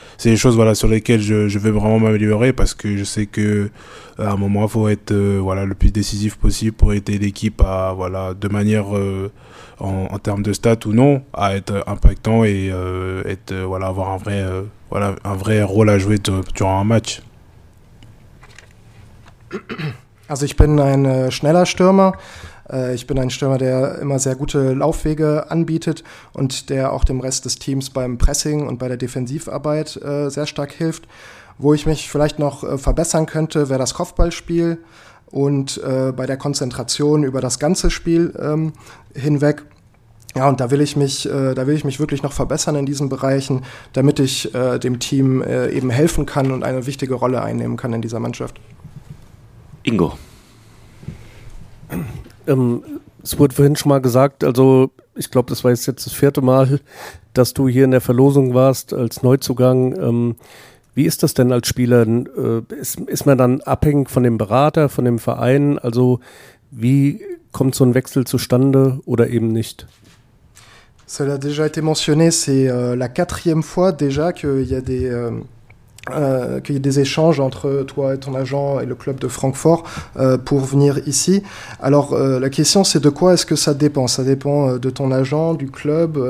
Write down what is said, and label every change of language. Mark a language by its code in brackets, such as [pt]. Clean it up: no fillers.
[fr] C'est des choses voilà, sur lesquelles je veux vraiment m'améliorer, parce que je sais qu'à un moment, il faut être le plus décisif possible pour aider l'équipe à, voilà, de manière, en termes de stats ou non, à être impactant et avoir un vrai rôle à jouer durant un match. [de] Also ich bin ein schneller Stürmer. Ich bin ein Stürmer, der immer sehr gute Laufwege anbietet und der auch dem Rest des Teams beim Pressing und bei der Defensivarbeit sehr stark hilft. Wo ich mich vielleicht noch verbessern könnte, wäre das Kopfballspiel und bei der Konzentration über das ganze Spiel hinweg. Ja, und da will ich mich wirklich noch verbessern in diesen Bereichen, damit ich dem Team eben helfen kann und eine wichtige Rolle einnehmen kann in dieser Mannschaft. Ingo. Es wurde vorhin schon mal gesagt, also ich glaube, das war jetzt das vierte Mal, dass du hier in der Verlosung warst als Neuzugang. Wie ist das denn als Spieler? Ist man dann abhängig von dem Berater, von dem Verein? Also wie kommt so ein Wechsel zustande oder eben nicht? [fr] Ça a déjà été mentionné, c'est la quatrième fois déjà qu'il y a des qu'il y ait des échanges entre toi et ton agent et le club de Francfort pour venir ici. Alors la question, c'est de quoi est-ce que ça dépend? Ça dépend de ton agent, du club.